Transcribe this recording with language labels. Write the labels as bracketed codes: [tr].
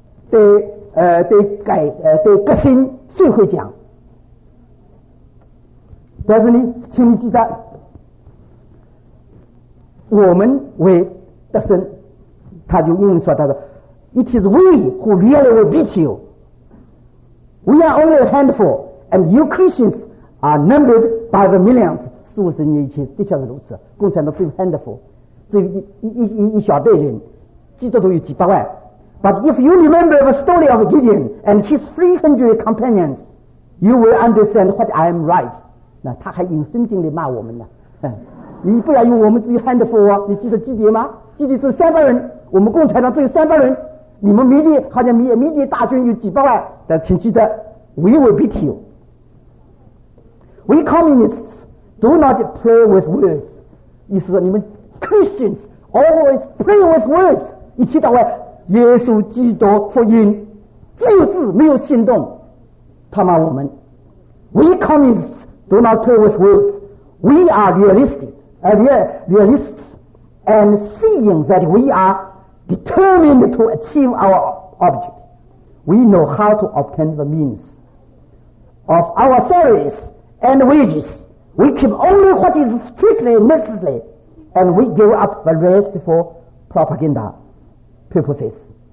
[zh] 对革新社会讲，但是呢请你记得，我们为得胜，他就英文说，他说 [en] It is we who really will beat you, we are only a handfulAnd you Christians are numbered by the millions. [zh] 四五十年以前的确是如此，共产党只有 handful， 只有一小队人，基督徒有几百万。 [en] But if you remember the story of Gideon and his 300 companions, you will understand what I am right. [zh] 那他还引圣经来骂我们呢、嗯。你不要以为我们只有 handful 哦，你记得基甸吗？基甸只有三百人，我们共产党只有三百人。你们缅甸好像缅甸大军有几百万，但请记得 ， [en] we will beat you. We communists do not pray with words. [zh] 意思说你们 [en] Christians always pray with words. [zh] 一提到耶稣基督福音，只有字没有行动，他骂我们。 [en] We communists do not pray with words. We are realists and seeing that we are determined to achieve our object. We know how to obtain the means of our salaries. And wages, we keep only what is strictly necessary, and we give up the rest for propaganda purposes.